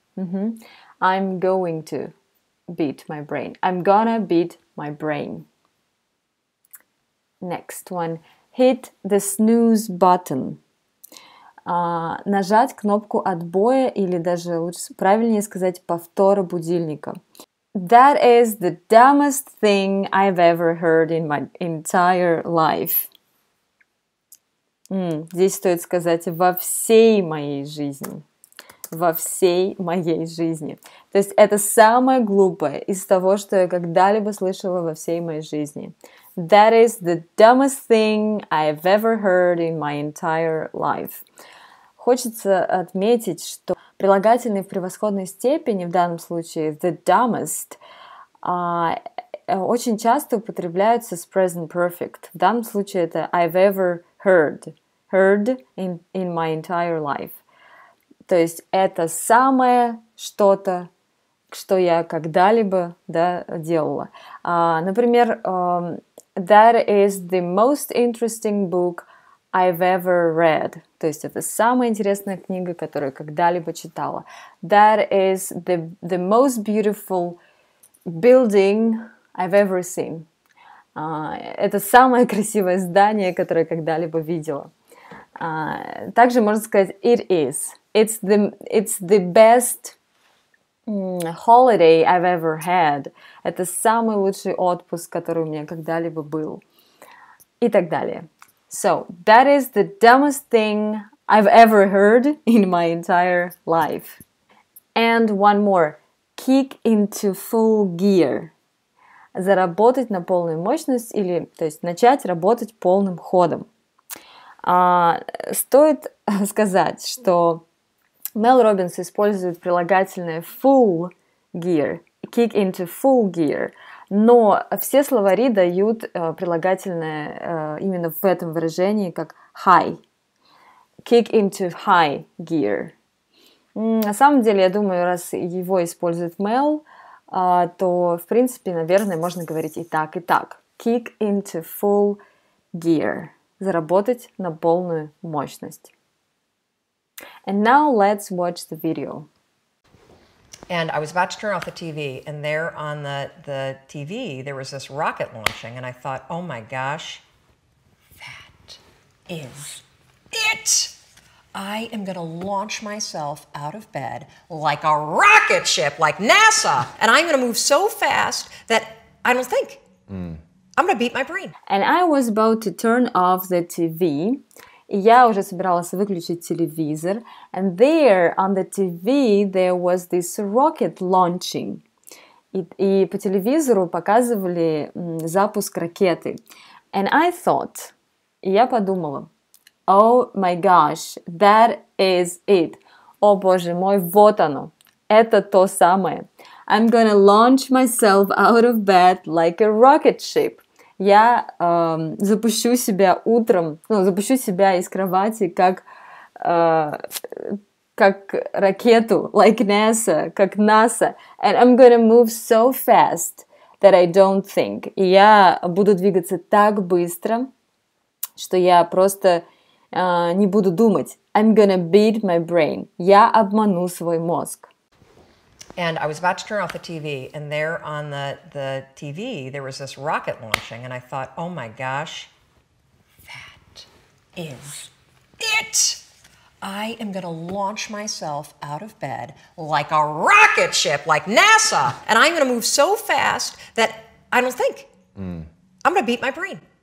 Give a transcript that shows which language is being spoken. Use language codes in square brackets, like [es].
[en] I'm going to beat my brain. I'm gonna beat my brain. Next one. Hit the snooze button. [ru] Нажать кнопку отбоя или даже лучше, правильнее сказать, повтора будильника. [en] That is the dumbest thing I've ever heard in my entire life. [ru] Здесь стоит сказать во всей моей жизни. Во всей моей жизни. То есть это самое глупое из того, что я когда-либо слышала во всей моей жизни. [en] That is the dumbest thing I've ever heard in my entire life. [ru] Хочется отметить, что прилагательный в превосходной степени, в данном случае [en] the dumbest, [ru] очень часто употребляются с present perfect. В данном случае это [en] I've ever heard in my entire life. [ru] То есть это самое что-то, что я когда-либо, да, делала. Например, [en] that is the most interesting book I've ever read. [ru] То есть это самая интересная книга, которую я когда-либо читала. [en] That is the most beautiful building I've ever seen. [ru] Это самое красивое здание, которое я когда-либо видела. Также можно сказать [en] it is. It's the best holiday I've ever had. [ru] Это самый лучший отпуск, который у меня когда-либо был. И так далее. [en] So, that is the dumbest thing I've ever heard in my entire life. And one more. Kick into full gear. [ru] Заработать на полную мощность или, то есть, начать работать полным ходом. Стоит сказать, что Мел Робинс использует прилагательное [en] full gear, kick into full gear. [ru] Но все словари дают прилагательное именно в этом выражении как high. [en] Kick into high gear. [ru] На самом деле, я думаю, раз его использует Mel, то, в принципе, наверное, можно говорить и так, и так. [en] Kick into full gear. [ru] Заработать на полную мощность. [en] And now let's watch the video. And I was about to turn off the TV, and there on the TV, there was this rocket launching, and I thought, oh my gosh, is it! I am gonna launch myself out of bed like a rocket ship, like NASA, and I'm gonna move so fast that I don't think. I'm gonna beat my brain. And I was about to turn off the TV. [ru] Я уже собиралась выключить телевизор. [en] And there on the TV there was this rocket launching. [ru] И по телевизору показывали запуск ракеты. [en] And I thought, [ru] я подумала, [en] oh my gosh, that is it. [ru] О боже мой, вот оно. Это то самое. [en] I'm gonna launch myself out of bed like a rocket ship. [ru] Я запущу себя утром, ну, запущу себя из кровати, как ракету, [en] like NASA, [ru] как NASA, [en] and I'm gonna move so fast that I don't think. [ru] И я буду двигаться так быстро, что я просто не буду думать. [en] I'm gonna beat my brain. [ru] Я обману свой мозг. [en] And I was about to turn off the TV, and there on the TV, there was this rocket launching, and I thought, oh my gosh, that is it! I am going to launch myself out of bed like a rocket ship, like NASA, and I'm going to move so fast that I don't think. I'm going to beat my brain.